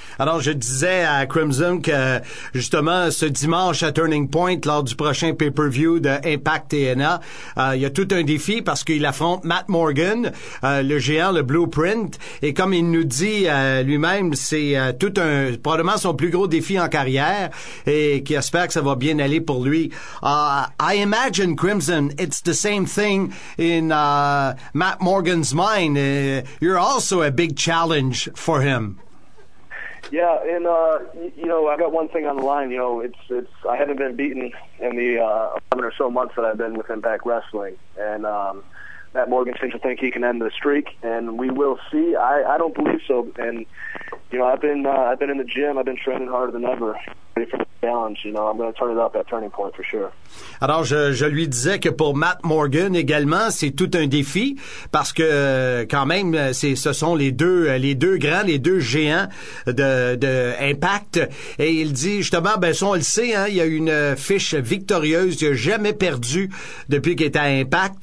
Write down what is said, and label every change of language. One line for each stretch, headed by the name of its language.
French: Alors, je disais à Crimson que, justement, ce dimanche à Turning Point, lors du prochain pay-per-view de Impact TNA, il y a tout un défi parce qu'il affronte Matt Morgan, le géant, le Blueprint. Et comme il nous dit lui-même, c'est tout un... probablement son plus gros défi en carrière et qu'il espère que ça va bien aller pour lui.
English: I imagine, Crimson, it's the same thing in Matt Morgan's mind. You're also a big challenge for him. Yeah, and I got one thing on the line. You know, it's I haven't been beaten in the 11 or so months that I've been with Impact Wrestling, and Matt Morgan seems to think he can end the streak, and we will see. I don't believe so, and you know, I've been in the gym, I've been training harder than ever, ready for challenge. You know, I'm going to turn it up at Turning Point for sure.
French: Alors, je lui disais que pour Matt Morgan également, c'est tout un défi parce que quand même, ce sont les deux grands, les deux géants de Impact. Et il dit justement, ben, on le sait, hein, il y a une fiche victorieuse, il n'a jamais perdu depuis qu'il est à Impact.